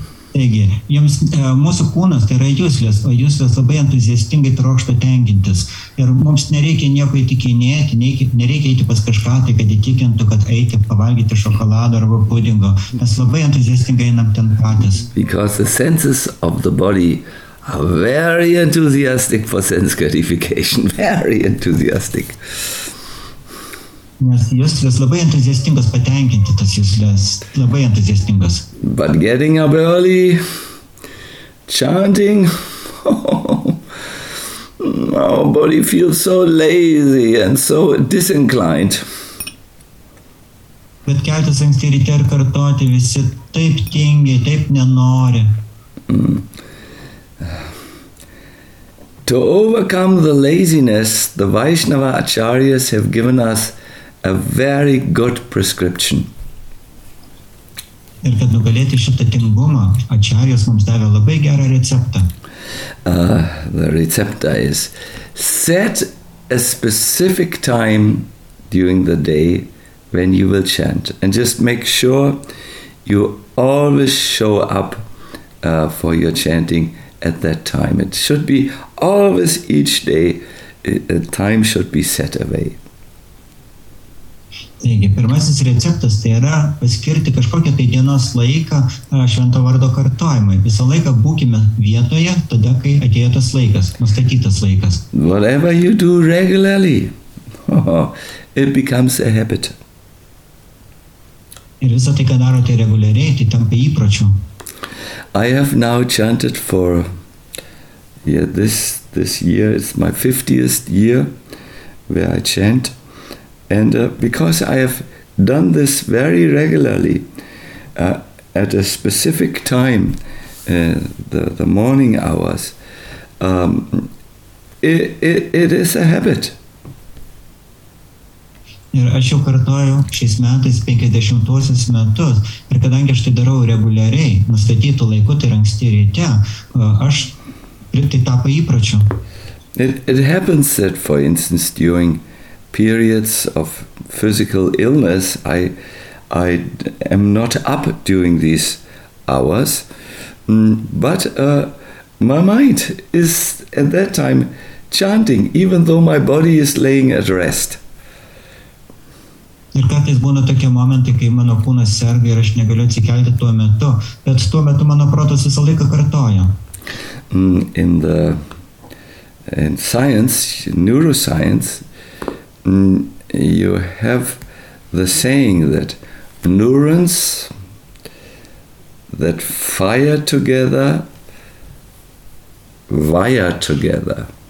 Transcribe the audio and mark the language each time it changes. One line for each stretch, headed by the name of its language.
Lithuanian: Taigi, jums, mūsų kūnas tai yra jūslės, o jūslės labai entuziastingai trokšta tenkintis. Ir mums nereikia nieko įtikinėti, nereikia eiti pas kažką, tai kad įtikintų, kad eiti pavalgyti šokolado arba pudingo. Mes labai entuziastingai einam ten patys.
English: Because the senses of the body are very enthusiastic for sense gratification. Very enthusiastic.
Lithuanian: Nes jūslės labai entuziastingas patenkinti tas jūslės, labai entuziastingas.
English: But getting up early, chanting, our body feels so lazy and so disinclined.
Lithuanian: Bet keltis anksti ryte ir kartoti, visi taip tingi, taip nenori.
English: To overcome the laziness, the Vaishnava Acharyas have given us a very good prescription.
Lithuanian: Ir kad nugalėti šitą tingumą, Acharyas mums davė labai gerą receptą.
English: The recept is set a specific time during the day when you will chant and just make sure you always show up for your chanting at that time. It should be always each day, a time should be set away.
Lithuanian: Taigi, pirmasis receptas tai yra paskirti kažkokią tai dienos laiką švento vardo kartojimui. Visą laiką būkime vietoje, tada, kai atėjo tas laikas, nustatytas laikas.
English: Whatever you do regularly, it becomes a habit.
Lithuanian: Ir visą tai, ką darote reguliariai, tai tampa įpročiu.
English: I have now chanted for, yeah, this year is my 50th year where I chant. And because I have done this very regularly at a specific time, the morning hours, it is a habit.
Lithuanian: Ir aš jau kartoju šiais metais 50-osius metus, ir kadangi aš tai darau reguliariai, nustatytų laiku, tai anksti ryte, aš tai tapo įpročiu.
English: It happens that, for instance, during periods of physical illness, I am not up during these hours, but my mind is at that time chanting, even though my body is laying at rest.
Lithuanian: Ir kartais būna tokie momentai, kai mano kūnas serga ir aš negaliu atsikelti tuo metu, bet tuo metu mano protas visą laiką kartoja.
English: In science, neuroscience, you have the saying that neurons that fire together wire together.